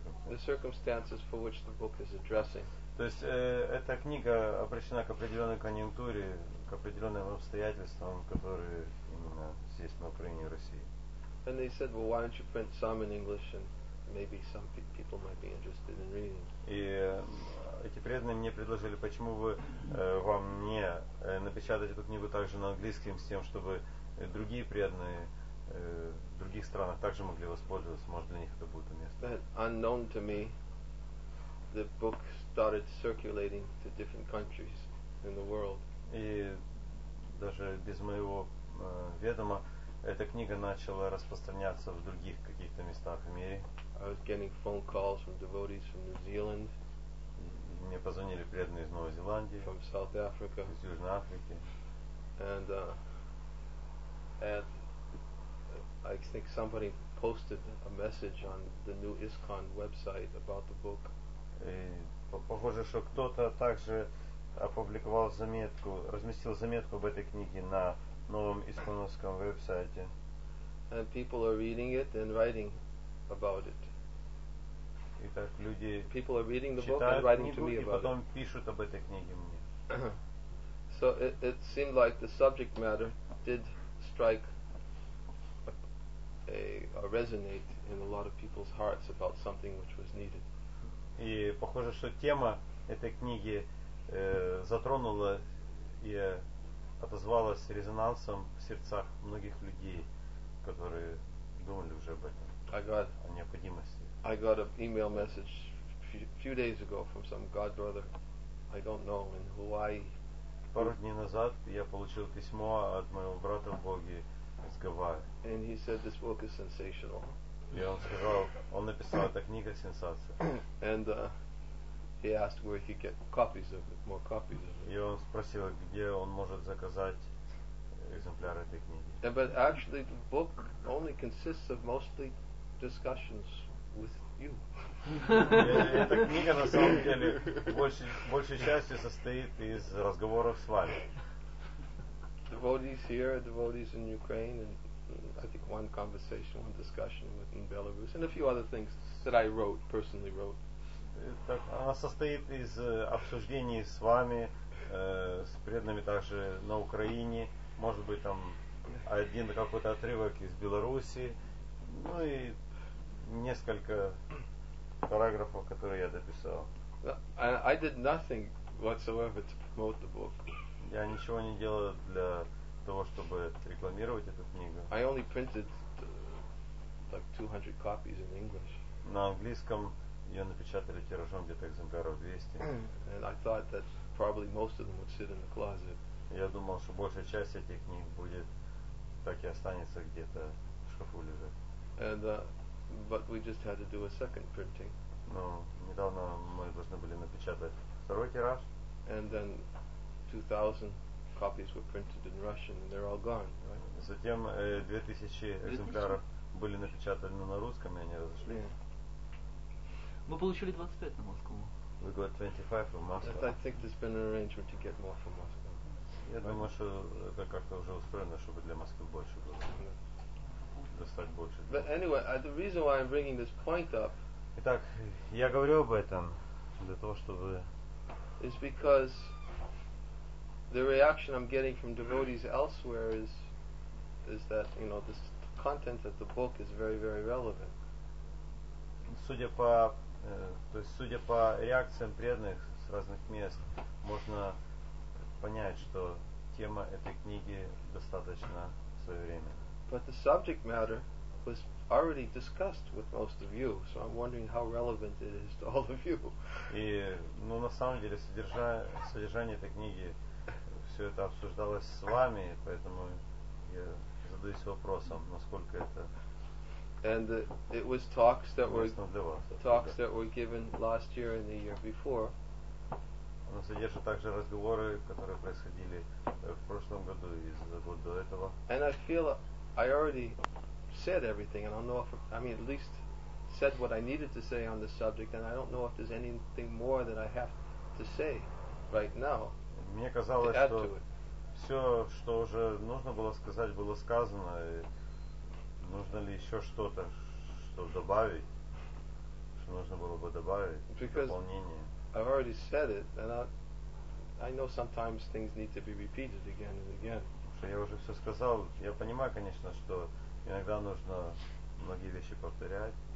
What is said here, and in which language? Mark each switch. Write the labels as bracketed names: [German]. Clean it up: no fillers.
[English] the circumstances for which the book is addressing. [Russian] То есть эта книга обращена к определенной конъюнктуре, к определенным обстоятельствам, которые именно здесь, на Украине и России. [English] And they said, well, why don't you print some in English and maybe some people might be interested in reading. [Russian] И эти преданные мне предложили, почему бы вам не напечатать эту книгу также на английском, с тем, чтобы другие преданные в других странах также могли воспользоваться, может, для них это будет уместно. [English] But unknown to me, the book started circulating to different countries in the world. [Russian] И даже без моего ведома эта книга начала распространяться в других каких-то местах в мире. [English] I was getting phone calls from devotees from New Zealand. [Russian] Мне позвонили преданные из Новой Зеландии. [English] From South Africa. [Russian] Из Южной Африки. [English] And and I think somebody posted a message on the new ISKCON website about the book. [Russian] Похоже, что кто-то также опубликовал заметку, разместил заметку об этой книге на новом ISKCON-овском веб-сайте. [English] And people are reading it and writing about it. [Russian] Итак, люди [English] people are reading the book and writing to me about it. [Russian] И потом пишут об этой книге мне. [English] So it seemed like the subject matter did strike a resonate in a lot of people's hearts about something which was needed. [Russian] И похоже, что тема этой книги затронула и отозвалась резонансом в сердцах многих людей, которые думали уже об этом. необходимости. [English] I got an email message few days ago from some god brother, I don't know, in Hawaii. [Russian] Пару дней назад я получил письмо от моего брата в Боге из Гавайи. [English] And he said this book is sensational. [Russian] И он сказал, он написал, эта книга сенсация. [English] And he asked where he get copies of it, more copies of it. [Russian] И он спросил, где он может заказать экземпляры этой книги. [English] And, but actually the book only consists of mostly discussions with you. [Russian] Эта книга на самом деле большей частью состоит из разговоров с вами. [English] Devotees here, devotees in Ukraine, and I think one conversation, one discussion with in Belarus, and a few other things that I wrote, personally wrote. [Russian] Она состоит из обсуждений с вами, с преданными также на Украине, может быть там один какой-то отрывок из Беларуси, ну и несколько параграфов, которые я дописал. [English] I did nothing whatsoever to promote the book. [Russian] Я ничего не делал для того, чтобы рекламировать эту книгу. [English] I only printed like 200 copies in English. [Russian] На английском ее напечатали тиражом где-то экземпляров 200. [English] And I thought that probably most of them would sit in the closet. [Russian] Я думал, что большая часть этих книг будет так и останется где-то в шкафу лежать. [English] And but we just had to do a second printing. [Russian] Но недавно мы должны были напечатать второй тираж. [English] And then 2,000 copies were printed in Russian, and they're all gone. Right? [Russian] Затем 2,000 экземпляров были напечатаны на русском, и они разошли. Мы получили 25 на Москву. [English] We got 25 from Moscow. I think there's been an arrangement to get more from Moscow. [Russian] Я думаю, что это как-то уже устроено, чтобы для Москвы больше было. Достать больше. [English] But anyway, the reason why I'm bringing this point up. [Russian] Итак, я говорю об этом для того, чтобы. [English] Is because the reaction I'm getting from devotees elsewhere is that, you know, this content of the book is very, very relevant. [Russian] Судя по реакциям преданных с разных мест, можно понять, что тема этой книги достаточно своевременна. [English] But the subject matter was already discussed with most of you, so I'm wondering how relevant it is to all of you. [Russian] И, ну, на самом деле, содержание этой книги все это обсуждалось с вами, поэтому я задаюсь вопросом, насколько это. [English] And it was talks that were given last year and the year before. [Russian] Оно содержит также разговоры, которые происходили в прошлом году и за год до этого. [English] And I feel I already said everything, and I don't know if I mean at least said what I needed to say on the subject, and I don't know if there's anything more that I have to say right now. [Russian] Мне казалось, что все, что уже нужно было сказать, было сказано. И нужно ли еще что-то, что добавить, что нужно было бы добавить в дополнение? [English] I've already said it, and I know sometimes things need to be repeated again and again. [Russian] Что я уже все сказал. Я понимаю, конечно, что иногда нужно многие вещи повторять.